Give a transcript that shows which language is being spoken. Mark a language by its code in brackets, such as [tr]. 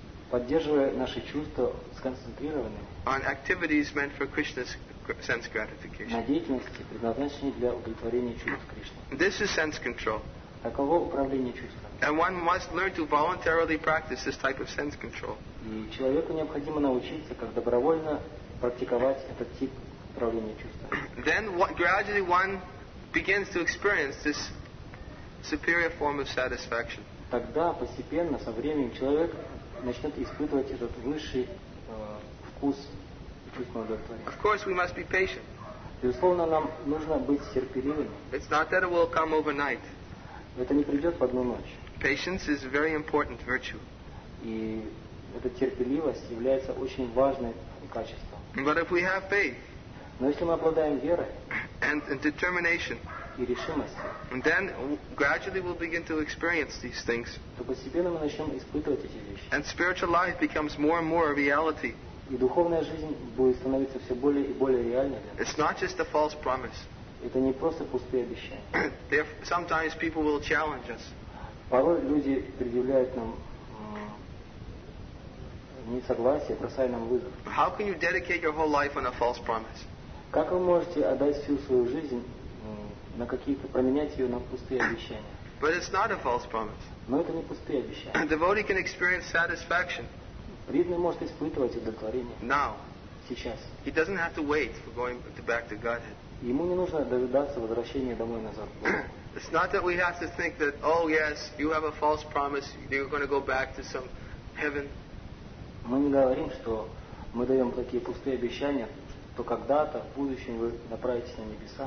[ru] Поддерживая наши чувства сконцентрированными. [en] On activities meant for Krishna's sense gratification. [ru] На деятельности, предназначенной для удовлетворения чувств Кришны. [en] This is sense control. [ru] Таково управление чувствами. [en] And one must learn to voluntarily practice this type of sense control. [ru] И человеку необходимо научиться, как добровольно практиковать этот тип управления чувствами. [en] Then gradually one begins to experience this superior form of satisfaction. [ru] Тогда постепенно, со временем, человек начнет испытывать этот высший вкус чувственного удовлетворения. [en] Of course, we must be patient. [ru] Безусловно, нам нужно быть терпеливыми. [en] It's not that it will come overnight. [ru] Это не придет в одну ночь. [en] Patience is a very important virtue. [ru] И эта терпеливость является очень важным качеством. [en] But if we have faith, [ru] но если мы обладаем верой [en] and determination, [ru] и решимостью, [en] then gradually we'll begin to experience these things. [ru] То постепенно мы начнем испытывать эти вещи. [en] And spiritual life becomes more and more a reality. [ru] И духовная жизнь будет становиться все более и более реальной. [en] It's not just a false promise. [ru] Это не просто пустые обещания. [en] Sometimes people will challenge us. [ru] Порой люди предъявляют нам несогласие, бросая нам вызов. [en] How can you dedicate your whole life on a false promise? [ru] Как вы можете отдать всю свою жизнь на какие-то, променять ее на пустые обещания? [en] But it's not a false promise. [ru] Но это не пустые обещания. [en] A devotee can experience satisfaction. [ru] Преданный может испытывать удовлетворение. [en] Now. [ru] Сейчас. [en] He doesn't have to wait for going back to Godhead. [ru] Ему не нужно дожидаться возвращения домой назад. [en] It's not that we have to think that, oh yes, you have a false promise, you're going to go back to some heaven. [ru] Мы не говорим, что мы даем такие пустые обещания, что когда-то, в будущем, вы направитесь на небеса.